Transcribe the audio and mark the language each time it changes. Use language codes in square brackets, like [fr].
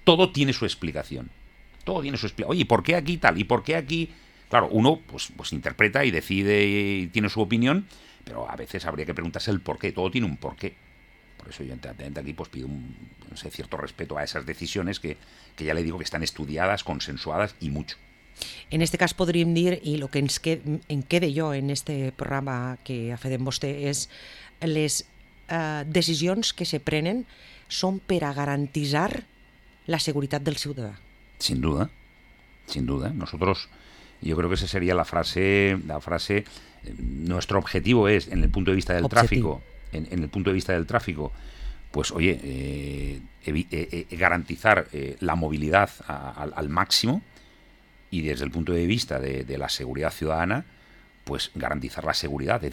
[es] Todo tiene su explicación. Todo tiene su explicación. Oye, ¿y por qué aquí tal? ¿Y por qué aquí...? Claro, uno pues interpreta y decide y tiene su opinión, pero a veces habría que preguntarse el por qué. Todo tiene un por qué. Por eso yo, entre aquí, pues pido un, no sé, cierto respeto a esas decisiones que ya le digo que están estudiadas, consensuadas y mucho. En este caso [ca] podríem dir, i el que ens quede jo en este programa que ha fet amb vostè, és les decisions que se prenen són per a garantir la seguretat del ciutadà. [es] Sin duda, sin duda. Nosotros, yo creo que esa sería la frase, nuestro objetivo es, en el punto de vista del tráfico, en el punto de vista del tráfico, pues oye, garantizar la movilidad al máximo, y desde el punto de vista de la seguridad ciudadana, pues garantizar la seguridad.